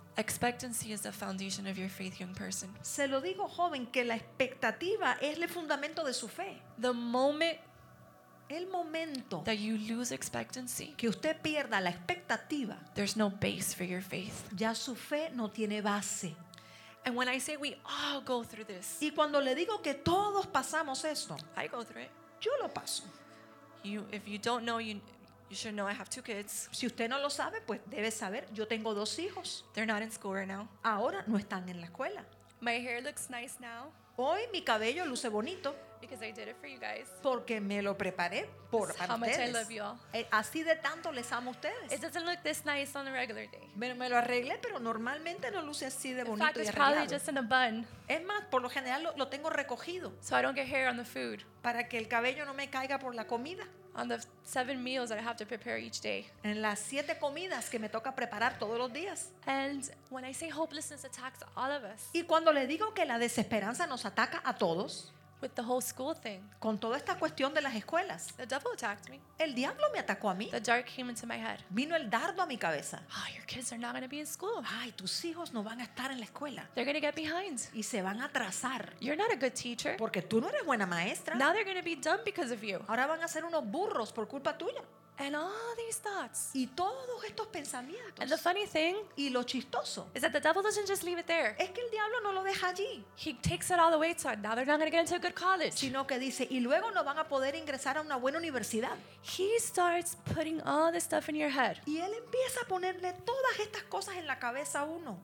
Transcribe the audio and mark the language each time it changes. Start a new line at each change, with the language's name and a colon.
English: Expectancy is the foundation of your faith, young person.
Spanish: Se lo digo, joven, que la expectativa es el fundamento de su fe.
English: The moment.
Spanish: El momento
English: that you lose expectancy,
Spanish: que usted pierda la expectativa,
English: there's no base for your faith.
Spanish: Ya su fe no tiene base.
English: And when I say we all go through this,
Spanish: y cuando le digo que todos pasamos esto,
English: I go through it.
Spanish: Yo lo paso.
English: You, if you don't know, you should know I have two kids.
Spanish: Si usted no lo sabe, pues debe saber, yo tengo dos hijos.
English: They're not in school right now.
Spanish: Ahora no están en la escuela.
English: My hair looks nice now.
Spanish: Hoy mi cabello luce bonito.
English: Because I did it for you guys.
Spanish: Porque me lo preparé por
English: how
Spanish: ustedes.
English: Much I love you all.
Spanish: Así de tanto les amo a ustedes.
English: It doesn't look this nice on a regular day.
Spanish: Me lo arreglé, pero normalmente no luce así de bonito.
English: In fact,
Spanish: y arreglado.
English: It's probably just in a bun.
Spanish: Es más, por lo general lo tengo recogido.
English: So I don't get hair on the food.
Spanish: Para que el cabello no me caiga por la comida.
English: On the 7 meals that I have to prepare each day.
Spanish: En las 7 comidas que me toca preparar todos los días.
English: And when I say hopelessness attacks all of us.
Spanish: Y cuando le digo que la desesperanza nos ataca a todos.
English: With the whole school thing.
Spanish: Con toda esta cuestión de las escuelas.
English: The devil attacked me.
Spanish: El diablo me atacó a mí.
English: The dart came into my head.
Spanish: Vino el dardo a mi cabeza.
English: Oh, your kids are not going to be in school.
Spanish: Ay, tus hijos no van a estar en la escuela.
English: They're going to get behind.
Spanish: Y se van a atrasar.
English: You're not a good teacher.
Spanish: Porque tú no eres buena maestra.
English: Now they're going to be dumb because of you.
Spanish: Ahora van a ser unos burros por culpa tuya.
English: And all these thoughts.
Spanish: Y todos estos pensamientos.
English: And the funny thing.
Spanish: Y lo chistoso.
English: Is that the devil doesn't just leave it there.
Spanish: Es que el diablo no lo deja allí.
English: He takes it all the way to now they're not going to get into a good college.
Spanish: Sino que dice y luego no van a poder ingresar a una buena universidad.
English: He starts putting all this stuff in your head.
Spanish: Y él empieza a ponerle todas estas cosas en la cabeza a uno.